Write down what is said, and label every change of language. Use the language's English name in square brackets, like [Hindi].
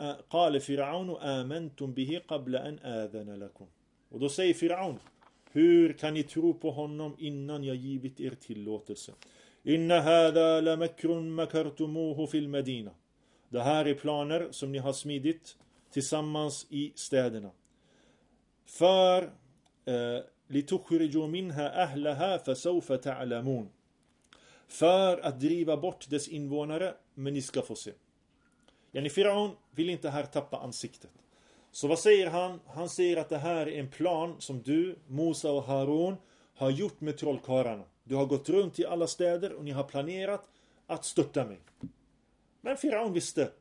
[Arabic] قال فرعون آمنتم به قبل أن آذن لكم. [Swedish] Och då säger Firaun, hur kan ni tro på honom innan jag givit er tillåtelse? [Arabic] إن هذا لمكر مكرتموه في المدينة. [Swedish] Det här är planer som ni har smidit tillsammans i städerna. [Arabic] För لِتُخْرِجُوا مِنْهَا أَهْلَهَا فَسَوْفَ تَعْلَمُونَ. [Swedish] För att driva bort dess invånare, men ni ska få se. Yani Firaun vill inte här tappa ansiktet. Så vad säger han? Han säger att det här är en plan som du, Musa och Harun, har gjort med trollkarlarna. Du har gått runt i alla städer och ni har planerat att störta mig. Men Firaun visste.